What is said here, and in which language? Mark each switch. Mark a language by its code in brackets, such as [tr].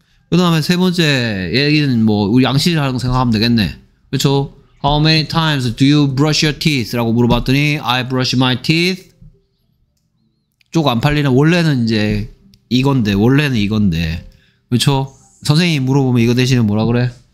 [ko] 그 다음에 세 번째 얘기는 뭐 우리 양식을 하는 거 생각하면 되겠네. 그렇죠? [en] How many times do you brush your teeth? [ko] 라고 물어봤더니 [en] I brush my teeth. [ko] 쪽 안 팔리는 원래는 이제 이건데 원래는 이건데 그렇죠? 선생님이 물어보면 이거 대신에 뭐라 그래?